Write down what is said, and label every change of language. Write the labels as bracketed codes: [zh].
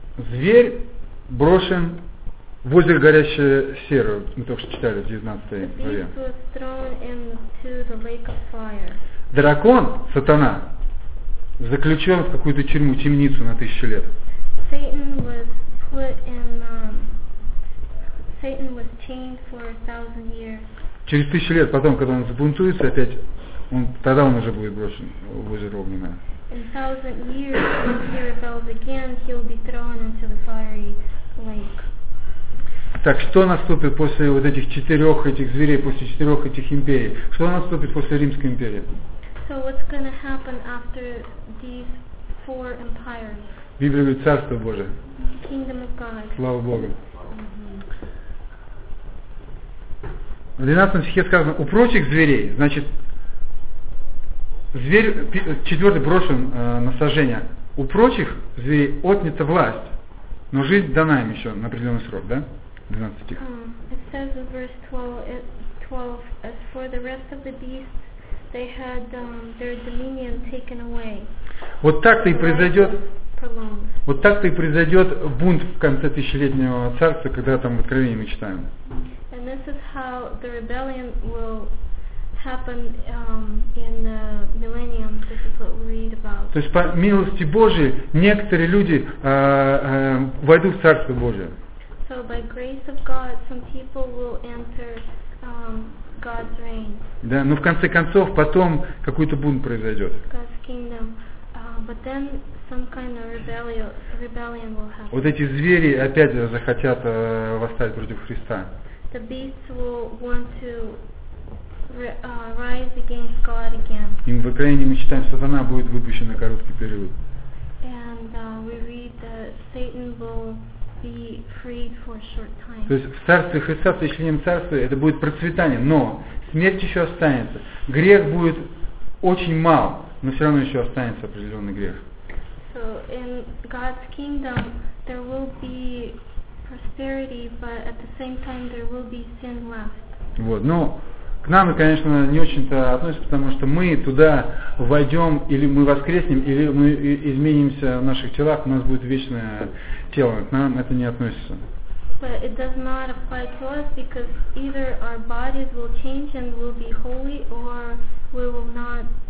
[ru] Зверь брошен в озеро горящее серое. Мы только что читали в 19 главе. [en] The beast was thrown into the lake of fire. [ru] Дракон, сатана. заключен в какую-то тюрьму, темницу на тысячу лет. [en] Satan was put in, Satan was chained for a thousand years. [ru] Через тысячу лет, потом, когда он забунтуется опять, он, тогда он уже будет брошен в озеро огненное. [en] In a thousand years, when he rebels again, he'll be thrown into the fiery lake. [ru] Так, что наступит после вот этих четырех этих зверей, после четырех этих империй? Что наступит после Римской империи? [en] So what's going to happen after these four empires? [ru] Библия говорит, Царство Божие. [en] Kingdom of God. [ru] Слава Богу. В 12 стихе сказано, у прочих зверей, значит, зверь четвертый брошен на сожжение, у прочих зверей отнята власть, но жизнь дана им еще на определенный срок, да? 12 стих. [en] It says in verse 12, as for the rest of the beasts, they had their dominion taken away. [ru] Вот так-то и произойдет. Вот так-то и произойдет бунт в конце тысячелетнего царства, когда там в Откровении мы читаем. [en] And this is how the rebellion will happen in the millennium. This is what we read about. [ru] То есть по милости Божией некоторые люди войдут в Царство Божие. [en] So by grace of God, some people will enter God's reign. [ru] Да, но в конце концов потом какой-то бунт произойдет. [en] God's kingdom. But then some kind of rebellion will happen. [ru] Вот эти звери опять захотят восстать против Христа. [en] The beasts will want to rise against God again. [ru] И в Украине мы читаем, что сатана будет выпущен на короткий период. [en] And we read that Satan will be freed for a short time. [ru] То есть в царстве Христа, в течением царства, это будет процветание, но смерть еще останется. Грех будет очень мал. Но все равно еще останется определенный грех. [en] So in God's kingdom there will be prosperity, but at the same time there will be sin left. [ru] Вот. Но к нам, конечно, не очень-то относится, потому что мы туда войдем, или мы воскреснем, или мы изменимся в наших телах, у нас будет вечное тело. К нам это не относится. [en] But it does not apply to us because either our bodies will change and will be holy, or we will not.